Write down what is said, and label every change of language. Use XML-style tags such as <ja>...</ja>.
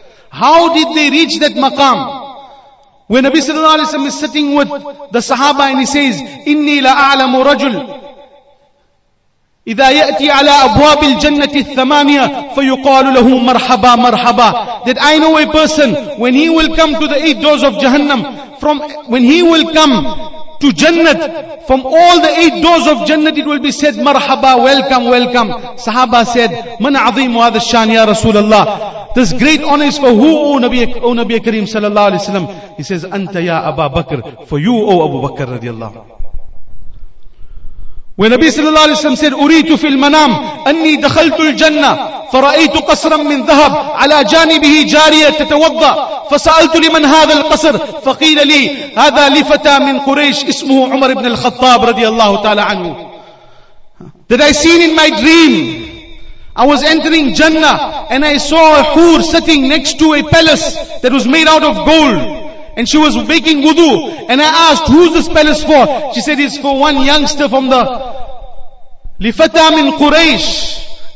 <en>How did they reach that maqam? When Nabi sallallahu alayhi wa sallam is sitting with the sahaba and he says,</en> <ar>Inni la a'lamu rajul إذا يأتي على أبواب الجنة الثمانية فيقال له مرحبا مرحبا.</ar> <en>That I know a person, when he will come to the 8 doors of Jahannam, from when he will come to Jannat, from all the 8 doors of Jannat, it will be said مرحبا, welcome, welcome.</en> <ar>Sahaba said, من عظيم هذا الشان يا رسول الله.</ar> <en>This great honor is for who, O Nabi Kareem sallallahu alayhi wa sallam? He says,</en> <ar>أنت يا أبا بكر.</ar> <en>For you, O Abu Bakr رضي الله. When Nabi sallallahu alayhi wa sallam said,</en> <ar>أُرِيتُ فِي الْمَنَامِ أَنِّي دَخَلْتُ الْجَنَّةِ فَرَأَيْتُ قَصْرًا مِّنْ ذَهَبٍ عَلَى جَانِبِهِ جَارِيَةٌ تَتَوَضَّى فَسَأَلْتُ لِمَنْ هَذَا الْقَصْرِ فَقِيلَ لِي هَذَا لِفَتَى مِّنْ قُرَيْشِ اسْمُهُ عُمَرِ بْنِ الْخَطَّابِ رَضِيَ اللَّهُ تَعَالَى عَنْهُ.</ar> <en>That I seen in my dream, I was entering Jannah and I saw a whore sitting next to a palace that was made out of gold. And she was making wudu. And I asked, who's this palace for? She said, it's for one youngster from the Lifata min Quraysh.</en>